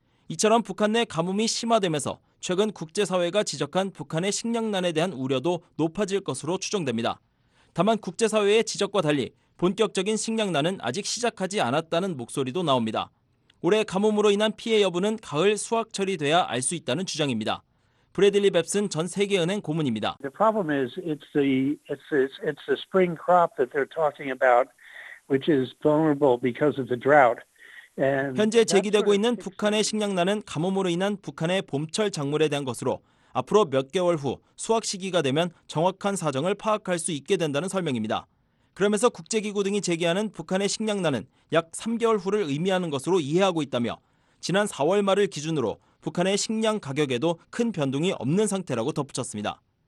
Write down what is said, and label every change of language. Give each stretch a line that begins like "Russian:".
Korean: 이처럼 북한 내 가뭄이 심화되면서 최근 국제사회가 지적한 북한의 식량난에 대한 우려도 높아질 것으로 추정됩니다. 다만 국제사회의 지적과 달리 본격적인 식량난은 아직 시작하지 않았다는 목소리도 나옵니다. 올해 가뭄으로 인한 피해 여부는 가을 수확철이 돼야 알 수 있다는 주장입니다. 브래들리 뱁슨 전 세계은행 고문입니다.
English: The problem is it's the spring crop that they're talking about, which is vulnerable because of the drought.
Korean: 현재 제기되고 있는 북한의 식량난은 가뭄으로 인한 북한의 봄철 작물에 대한 것으로 앞으로 몇 개월 후 수확 시기가 되면 정확한 사정을 파악할 수 있게 된다는 설명입니다. 그러면서 국제기구 등이 제기하는 북한의 식량난은 약 3개월 후를 의미하는 것으로 이해하고 있다며 지난 4월 말을 기준으로 북한의 식량 가격에도 큰 변동이 없는 상태라고 덧붙였습니다.